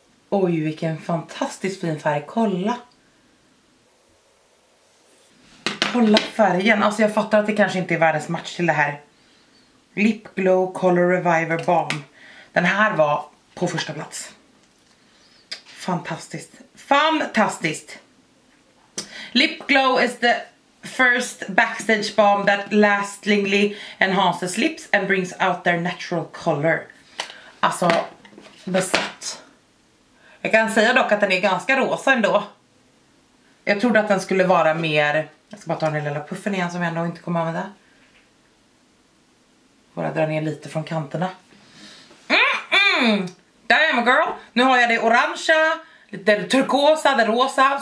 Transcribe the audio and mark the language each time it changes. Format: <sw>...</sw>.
<sv>Oj, vilken fantastiskt fin färg. Kolla. Kolla färgen. Alltså jag fattar att det kanske inte är världens match till det här. Lip Glow Color Reviver Balm. Den här var på första plats. Fantastiskt. Fantastiskt.</sv> <en>Lip Glow is the first backstage balm that lastingly enhances lips and brings out their natural color.</en> <sv>Alltså, besatt. Jag kan säga dock att den är ganska rosa ändå. Jag trodde att den skulle vara mer. Jag ska bara ta den lilla puffen igen som jag ändå inte kommer använda. Bara dra ner lite från kanterna.</sv> <en>Damn girl!</en> <sv>Nu har jag det orangea, lite turkosa, det rosa.</sv>